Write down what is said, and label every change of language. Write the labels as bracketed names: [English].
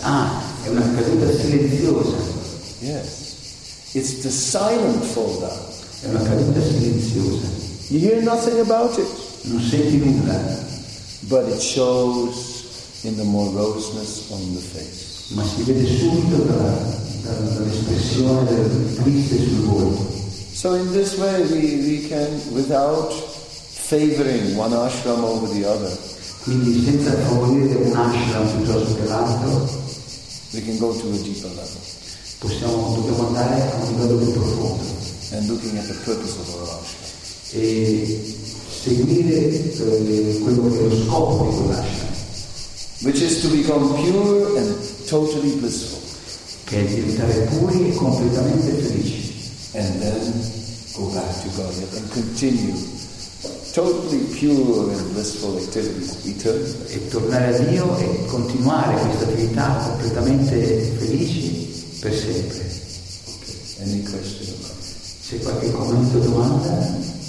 [Italian] Ah, è una caduta silenziosa. [English] Yes, it's the silent fall down. [Italian] È una caduta silenziosa. [English] You hear nothing about it. [Italian] Non senti nulla. [English] But it shows in the moroseness on the face. [Italian] Ma si vede subito dall'espressione del triste sul volto. [English] So in this way we can, without favoring one ashram over the other. [Italian] Quindi senza favorire un ashram piuttosto che l'altro. [English] We can go to a deeper level. [Italian] Possiamo, dobbiamo andare a un livello più profondo. [English] And looking at the purpose of our ashram. [Italian] E seguire quello che è lo scopo di quell'ashram. [English] Which is to become pure and totally blissful. [Italian] Che è diventare puri e completamente felici. [English] And then go back to Godhead and continue totally pure and blissful activities eternally. [Italian] E tornare a Dio e continuare questa attività completamente felici per sempre. [English] Okay. Any question? [Italian] C'è qualche commento o domanda?